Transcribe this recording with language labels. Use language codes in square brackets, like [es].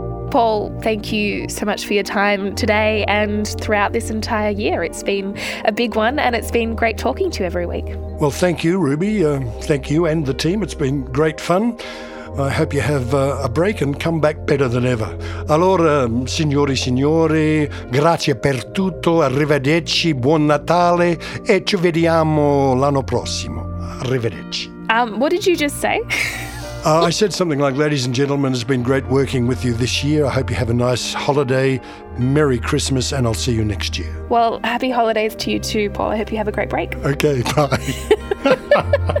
[en] Paul, thank you so much for your time today and throughout this entire year. It's been a big one and it's been great talking to you every week. Well, thank you, Ruby. Thank you and the team. It's been great fun. I hope you have a break and come back better than ever. [it] Allora, signori, signori, grazie per tutto, arrivederci, buon Natale e ci vediamo l'anno prossimo. Arrivederci. [en] What did you just say? I said something like, ladies and gentlemen, it's been great working with you this year. I hope you have a nice holiday. Merry Christmas, and I'll see you next year. Well, happy holidays to you too, Paul. I hope you have a great break. Okay, bye.